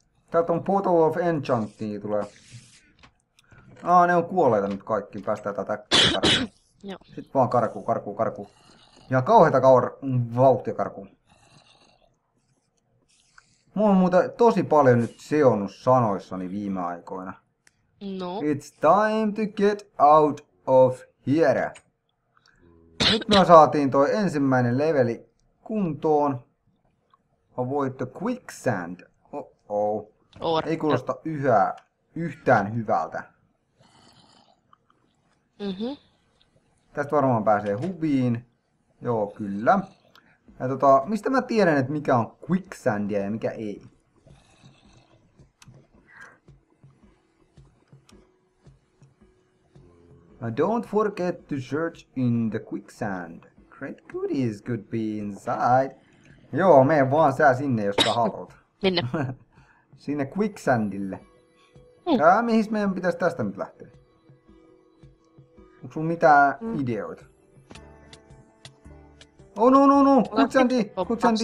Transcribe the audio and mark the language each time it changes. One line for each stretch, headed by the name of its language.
Finnish: Täältä on Bottle of Enchantia tulee. Aa, ne on kuolleita nyt kaikki, päästään tätä karkuun. Joo. Sitten vaan karkuun, karkuun, karkuun. Ja kauheita vauhtia karkuun. Mä oon muuten tosi paljon nyt seonnut sanoissani viime aikoina. No.
English: It's time to get out of here.
Finnish: Nyt me saatiin toi ensimmäinen leveli kuntoon. On voitto Quicksand. Oh-oh. Or, ei kuulosta yhä yhtään hyvältä. Mhm. Tästä varmaan pääsee hubiin. Joo, kyllä. Ja mistä mä tiedän, että mikä on Quicksandia ja mikä ei?
English: Don't forget to search in the quicksand. Great goodies could be inside.
Finnish: Joo, mene vaan sä sinne, jos sä haluat. Minne? Sinne quicksandille. Ja mihin meidän pitäisi tästä nyt lähteä? Onko sun mitään ideoita?
English: Oh no no no! Quicksandi! Quicksandi!